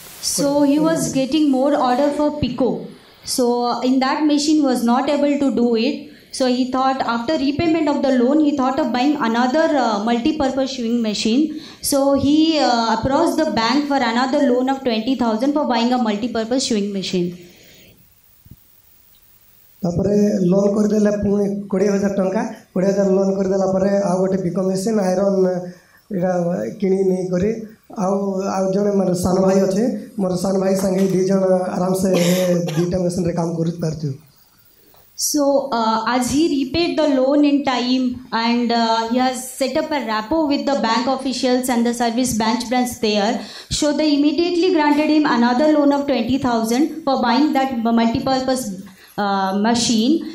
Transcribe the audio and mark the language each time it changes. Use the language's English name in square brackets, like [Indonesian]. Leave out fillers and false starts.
[English] So he was getting more order for Pico. So in that machine was not able to do it. So he thought after repayment of the loan, he thought of buying another multi-purpose sewing machine. So he approached the bank for another loan of 20,000 for buying a multi-purpose sewing machine. [Odia] ତାପରେ loan କରିଦେଲେ ପୁଣି 20,000 ଟଙ୍କା 20,000 loan କରିଦେଲା ପରେ ଆଉ ଗୋଟେ pico machine iron ଏଇଟା କିଣି ନେଇକରି ଆଉ ଆଉ ଜଣେ ମୋର ସାନ ଭାଇ ଅଛି ମୋର ସାନ ଭାଇ ସାଙ୍ଗେ ଦୁଇ ଜଣ ଆରାମସେ ଦୁଇଟା ମେସିନ୍ରେ କାମ କରିପାରୁଛୁ. [English] So as he repaid the loan in time and he has set up a rapport with the bank officials and the service bench branch there, so they immediately granted him another loan of 20,000 for buying that multi-purpose machine.